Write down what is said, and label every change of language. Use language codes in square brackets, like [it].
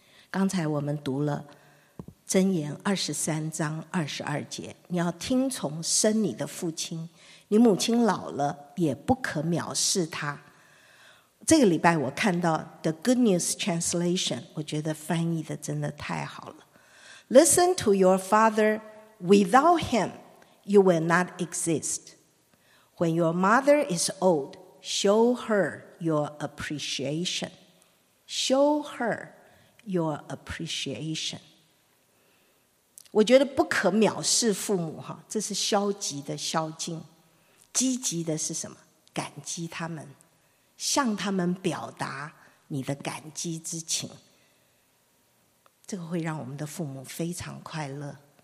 [zh] 刚才我们读了箴言23:22，你要听从生你的父亲，你母亲老了也不可藐视他。这个礼拜我看到 The Good News Translation， 我觉得翻译的真的太好了。 [en] Listen to your father, without him you will not exist. When your mother is old, show her your appreciation. Show her your appreciation. [zh] 我觉得不可藐视父母，这是消极的孝敬。积极的是什么？感激他们，向他们表达你的感激之情，这个会让我们的父母非常快乐。